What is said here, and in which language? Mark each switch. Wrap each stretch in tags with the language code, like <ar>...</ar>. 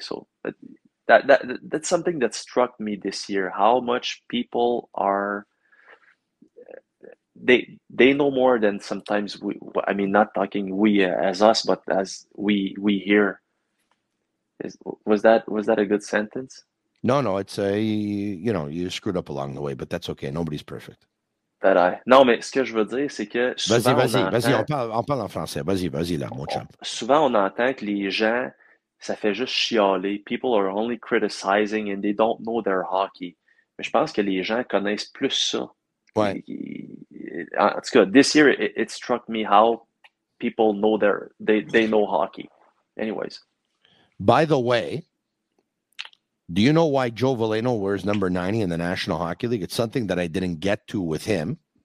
<en>So that's something that struck me this year, how much people are, they know more than sometimes we, I mean, not talking we as us, but as we hear. Was that a good sentence? No, it's a, you know, you screwed up along the way, but that's okay. Nobody's perfect.</en> <fr>Non, mais ce que je veux dire, c'est que souvent, on parle en français. Vas-y, là, mon chum. Souvent, on entend que les gens, ça fait juste chialer.</fr> <en>People are only criticizing and they don't know their hockey.</en> <fr>Mais je pense que les gens connaissent plus ça. Ouais. En tout cas,</fr> <en>this year, it struck me how people know they know hockey. Anyways. By the way, do you know why Joe Veleno wears number 90 in the National Hockey League? It's something that I didn't get to with him.</en>